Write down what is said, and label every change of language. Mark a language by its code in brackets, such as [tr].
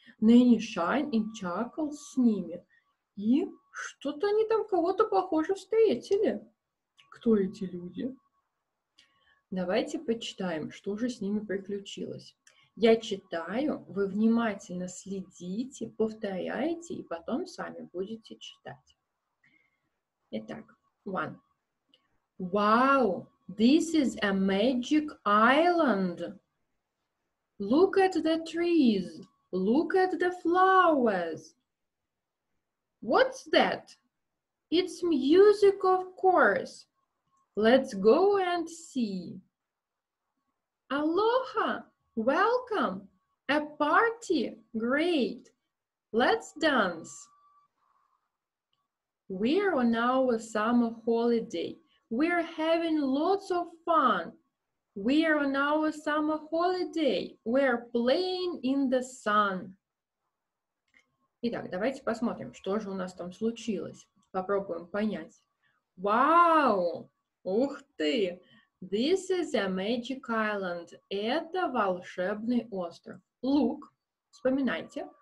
[ru] Nanny Shine и Chuckles с ними. И что-то они там кого-то, похоже, встретили. Кто эти люди? Давайте почитаем, что же с ними приключилось. Я читаю, вы внимательно следите, повторяете, и потом сами будете читать. Итак, one. [en] Wow, this is a magic island. Look at the trees. Look at the flowers. What's that? It's music, of course. Let's go and see. Aloha! Welcome! A party! Great! Let's dance! We're on our summer holiday. We're having lots of fun. We're on our summer holiday. We're playing in the sun. [ru] Итак, давайте посмотрим, что же у нас там случилось. Попробуем понять. Wow! Ух ты! [en] This is a magic island. [ru] Это волшебный остров. [en] Look. [ru] Вспоминайте.